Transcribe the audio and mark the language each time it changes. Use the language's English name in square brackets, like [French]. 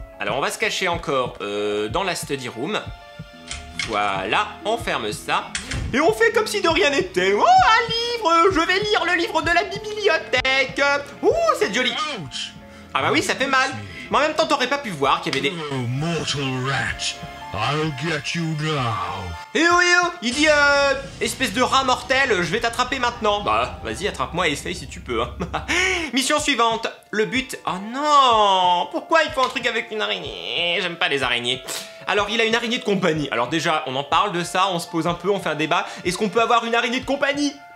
[French] Alors on va se cacher encore dans la study room. Voilà, on ferme ça. Et on fait comme si de rien n'était. Oh, un livre! Je vais lire le livre de la bibliothèque. Ouh, c'est joli. Ah bah oui, ça fait mal. Mais en même temps, t'aurais pas pu voir qu'il y avait des... [English] Oh, mortal rat, I'll get you now. [French] Eh oh, eh oh, il dit, espèce de rat mortel, je vais t'attraper maintenant. Bah, vas-y, attrape-moi et essaye si tu peux. Hein. Mission suivante. Le but... Oh non! Pourquoi il faut un truc avec une araignée? J'aime pas les araignées. Alors, il a une araignée de compagnie. Alors déjà, on en parle de ça, on se pose un peu, on fait un débat. Est-ce qu'on peut avoir une araignée de compagnie?